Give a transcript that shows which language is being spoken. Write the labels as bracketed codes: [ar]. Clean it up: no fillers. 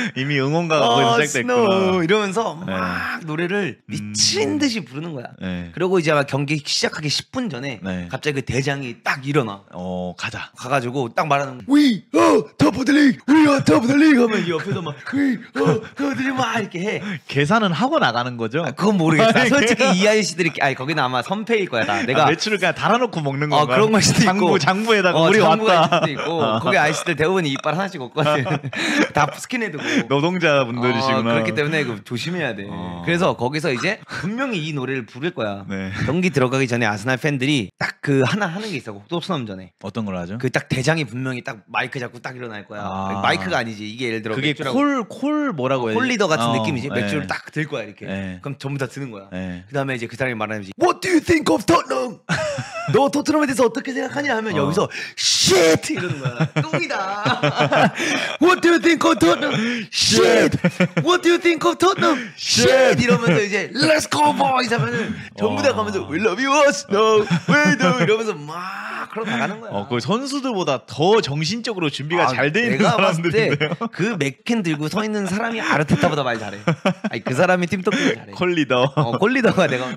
[ko] 이미 응원가가 거의 시작됐구나. 이러면서 막 네. 노래를 미친 듯이 부르는 거야. 네. 그리고 이제 막 경기 시작하기 10분 전에 네. 갑자기 그 대장이 딱 일어나. 가자. 가가지고 딱 말하는 거. [en] We are top of the league. We are top of the league. [ko] 하면 옆에서 막 [en] We are top of the league. [ko] 이렇게 해. 계산은 하고 나가는 거죠? 아, 그건 모르겠어. 솔직히 이 아저씨들이 아니 거기는 아마 선패일 거야. 나. 내가 아, 매출을 그냥 달아놓고 먹는 건가? 그런 것일 수도 있고 장부에다가 우리 장부가 왔다. 장부가 있을 수도 있고 거기 아저씨들 대부분 이빨 하나씩 없거든. 다 스킨헤드고 노동자분들이시구나. 그렇기 때문에 그, 조심해야 돼. 그래서 거기서 이제 분명히 이 노래를 부를 거야. 네. 경기 들어가기 전에 아스날 팬들이 딱 그 하나 하는 게 있어. 토트넘 전에 어떤 걸 하죠? 그 딱 대장이 분명히 딱 마이크 잡고 딱 일어날 거야. 아. 마이크가 아니지. 이게 예를 들어 그게 콜 뭐라고 해야 되지? 콜리더가 같은 느낌이지. 맥주를 딱 들 거야 이렇게. 에. 그럼 전부 다 드는 거야. 그 다음에 이제 그 사람이 말하는지 [en] What do you think of Tottenham? [ko] 너 토트넘에 대해서 어떻게 생각하냐 하면 여기서 [en] Shit! [ko] 이러는 거야. 똥이다. [en] What do you think of Tottenham? Shit! What do you think of Tottenham? Shit! [ko] 이러면서 이제 [en] Let's go boys! [ko] 하면은 전부 다 가면서 [en] We love you us! No! We do! [ko] 이러면서 막 그러고 나가는 거야. 그 선수들보다 더 정신적으로 준비가 잘 돼 있는 사람들인데 그 맥캔 들고 서 있는 사람이 아르테타보다 말 잘해. 아니 그 사람이 팀토크 잘해. 콜리더. 콜리더가 내가.